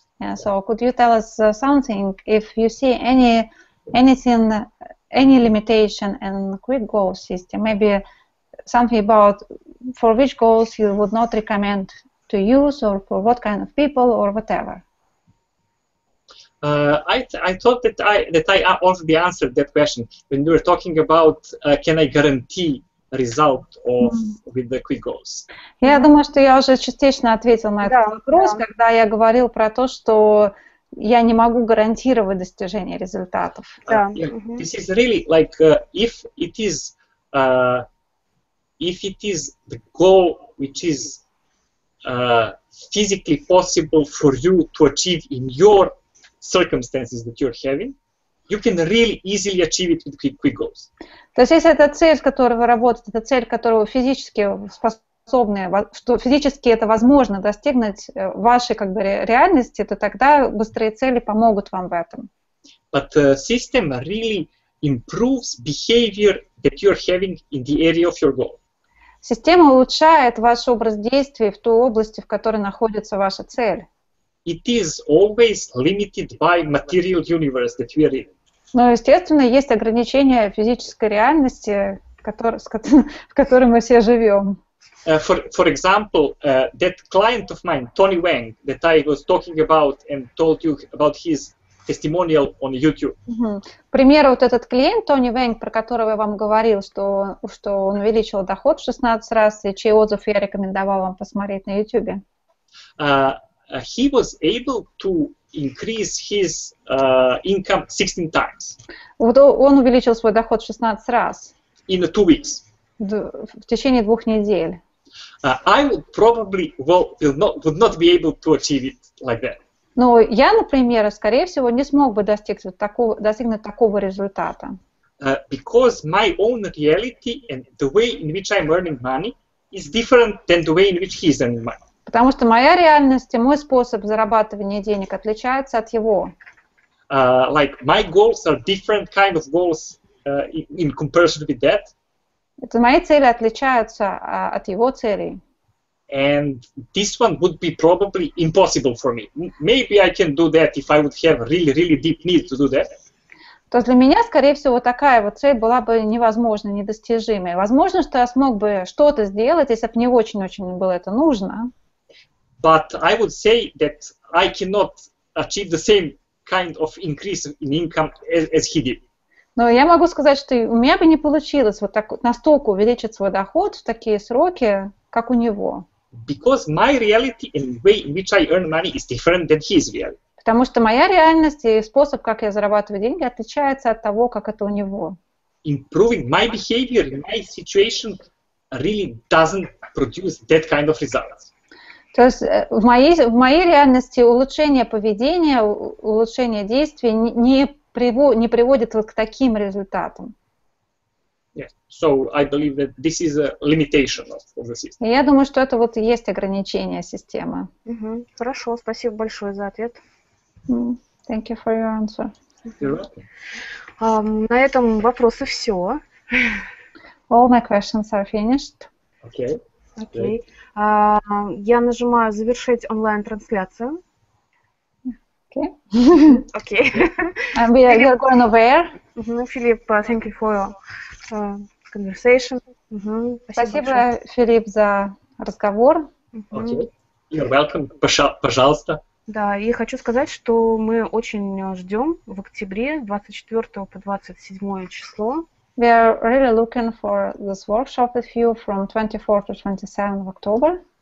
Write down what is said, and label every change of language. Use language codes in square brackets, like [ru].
[en] Yeah, so, could you tell us something, if you see any limitation and quick goal system, maybe something about for which goals you would not recommend to use or for what kind of people or whatever? I thought that I already answered that question when we were talking about can I guarantee result of with the quick goals. [ru] Я думаю, что я уже частично ответил на этот вопрос, когда я говорил про то, что я не могу гарантировать достижение результатов. [en] This is really like if it is the goal which is physically possible for you to achieve in your circumstances that you're having, you can really easily achieve it with quick goals. [ru] То есть если это цель, с которой вы работаете, это цель, которую физически что физически это возможно достигнуть в вашей как бы реальности, то тогда быстрые цели помогут вам в этом. [en] But system really improves behavior that you're having in the area of your goal. [ru] Система улучшает ваш образ действий в той области, в которой находится ваша цель. [en] It is always limited by material universe that we are in. [ru] Но, естественно, есть ограничения физической реальности, в которой мы все живем. [en] For example, that client of mine, Tony Wang, that I was talking about and told you about his testimonial on YouTube. [ru] Пример вот этот клиент Тони Вэнг, про которого я вам говорил, что он увеличил доход в 16 раз, и чей отзыв я рекомендовал вам посмотреть на YouTube. [en] He was able to increase his income 16 times. [ru] Вот он увеличил свой доход в 16 раз. [en] In 2 weeks. [ru] В течение 2 недель. [en] I would probably would not be able to achieve it like that. [ru] Но я, например, скорее всего, не смог бы достигнуть такого результата. [en] Because my own reality and the way in which I'm earning money is different than the way in which he's earning money. [ru] Потому что моя реальность и мой способ зарабатывания денег отличается от его. [en] Like my goals are different kind of goals in comparison with that. [ru] Это мои цели отличаются от его целей. [en] And this one would be probably impossible for me. Maybe I can do that if I would have really, really deep need to do that. [ru] То для меня, скорее всего, такая вот цель была бы невозможной, недостижимой. Возможно, что я смог бы что-то сделать, если бы мне очень-очень было это нужно. [en] But I would say that I cannot achieve the same kind of increase in income as he did. [ru] Но я могу сказать, что у меня бы не получилось вот так настолько увеличить свой доход в такие сроки, как у него. [en] Because my reality and way in which I earn money is different than his reality. [ru] Потому что моя реальность и способ, как я зарабатываю деньги, отличается от того, как это у него. [en] Improving my behavior and my situation really doesn't produce that kind of results. [ru] То есть в моей реальности улучшение поведения, улучшение действий не приводит вот к таким результатам. [en] Yes. So I believe that this is a limitation of the system. [ru] Я думаю, что это вот есть ограничение системы. Uh-huh. Хорошо, спасибо большое за ответ. [en] Thank you for your answer. [ru] На этом вопросы все. [en] All my questions are finished. Okay. Okay. Я нажимаю завершить онлайн-трансляцию. Okay. Okay. We are Филипп, going aware. Филипп, thank you for conversation. [ru] Спасибо, Филипп, за разговор. [en] Okay. You're welcome. [ru] Пожалуйста. Да, и хочу сказать, что мы очень ждем в октябре 24 по 27 число. [en] We are really looking for this workshop with you from 24 to 27 of October.